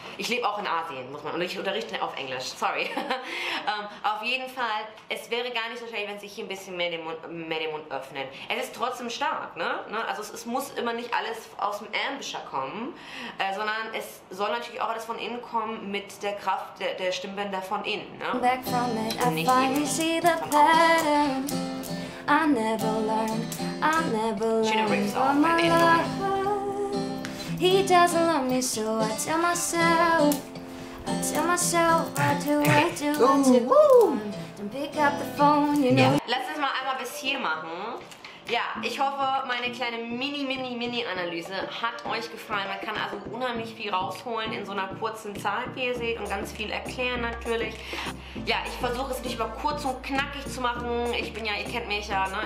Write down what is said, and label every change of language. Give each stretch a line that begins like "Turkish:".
German: Ich lebe auch in Asien, muss man, und ich unterrichte auf Englisch, sorry. auf jeden Fall, es wäre gar nicht so schlecht, wenn sich hier ein bisschen mehr den Mund öffnen. Es ist trotzdem stark, ne? Also es muss immer nicht alles aus dem Ambisher kommen, sondern es soll natürlich auch alles von innen kommen mit der Kraft der Stimmbänder von innen, ne?
English: Back from it, I finally see the pattern. I never learned, I never learned all my life. He doesn't love me, so I tell myself, I do. Don't pick up the phone, you know.
German: Lass uns mal einmal bis hier machen. Ja, ich hoffe, meine kleine Mini-Analyse hat euch gefallen. Man kann also unheimlich viel rausholen in so einer kurzen Zeit, wie ihr seht, und ganz viel erklären natürlich. Ja, ich versuche es nicht über kurz und knackig zu machen. Ich bin ja, ihr kennt mich ja, ne?